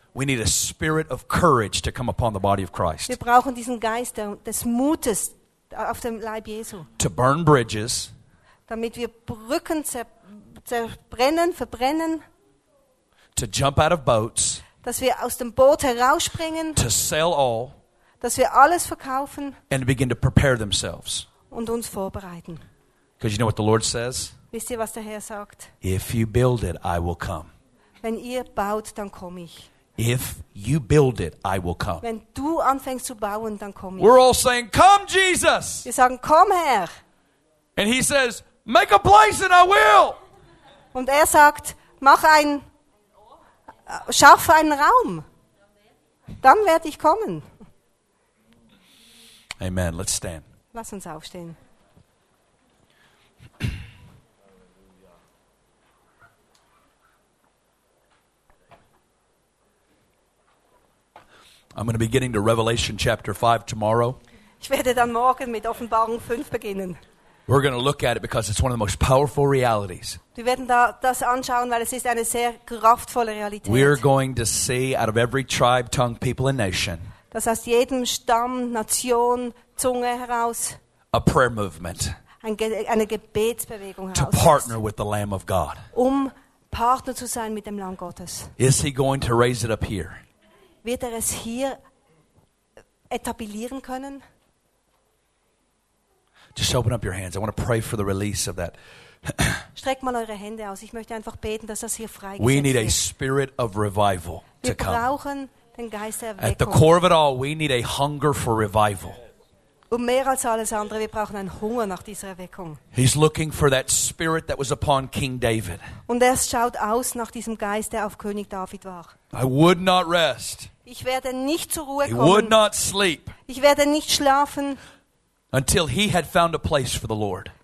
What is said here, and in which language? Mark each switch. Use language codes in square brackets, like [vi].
[en] We need a spirit of courage to come upon the body of Christ. [de] Wir brauchen diesen Geist des Mutes auf dem Leib Jesu. [en] To burn bridges. [de] Damit wir Brücken zerbrennen, verbrennen. [en] To jump out of boats. [de] Dass wir aus dem Boot herausspringen. [en] To sell all. [de] Dass wir alles verkaufen. [en] And begin to prepare themselves. [de] Und uns vorbereiten. [en] Because you know what the Lord says? [de] Wisst ihr, was der Herr sagt? [en] If you build it, I will come. [de] Wenn ihr baut, dann komme ich. [en] If you build it, I will come. [de] Wenn du anfängst zu bauen, dann komme ich. [en] We're all saying, come, Jesus! [de] Wir sagen, komm, Herr! [en] And he says, make a place and I will! [de] Und sagt, mach ein, schaff einen Raum. Dann werde ich kommen. [en] Amen. Let's stand. [de] Lass uns aufstehen. [en] I'm going to be getting to Revelation chapter 5 tomorrow. [de] Ich werde dann morgen mit Offenbarung 5 beginnen. [en] We're going to look at it because it's one of the most powerful realities. [de] Wir werden da das anschauen, weil es ist eine sehr kraftvolle Realität. [en] We're going to see out of every tribe, tongue, people and nation. [de] Das aus jedem Stamm, Nation, Zunge heraus. [en] A prayer movement. [de] Eine Gebetsbewegung heraus. [en] To partner with the Lamb of God. [de] Um Partner zu sein mit dem Lamm Gottes. [en] Is he going to raise it up here? [de] Wird es hier etablieren können? [en] Just open up your hands. I want to pray for the release of that. [de] Streck mal eure Hände aus. Ich möchte einfach beten, dass das hier freigesetzt wird. [en] We need a spirit of revival to come. [de] Wir brauchen den Geist der Erweckung. [en] At the core of it all, we need a hunger for revival. [de] Und mehr als alles andere, wir brauchen einen Hunger nach dieser Erweckung. [en] He's looking for that spirit that was upon King David. [de] Und er schaut aus nach diesem Geist, der auf König David war. [en] I would not rest. [de] Ich werde nicht zur Ruhe kommen. [en] He would not sleep. [de] Ich werde nicht schlafen. [en] Until he had found a place for the Lord.